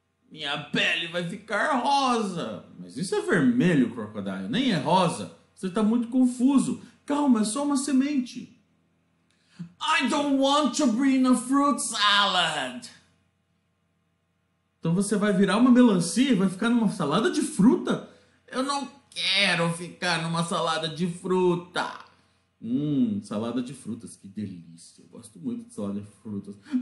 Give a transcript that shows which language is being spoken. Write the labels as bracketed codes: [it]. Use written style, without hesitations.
[pt] Minha pele vai ficar rosa. Mas isso é vermelho, Crocodile, nem é rosa. Você está muito confuso. Calma, é só uma semente. [en] I don't want to be in a fruit salad. [pt] Então você vai virar uma melancia e vai ficar numa salada de fruta? Eu não quero ficar numa salada de fruta. Salada de frutas, que delícia. Eu gosto muito de salada de frutas.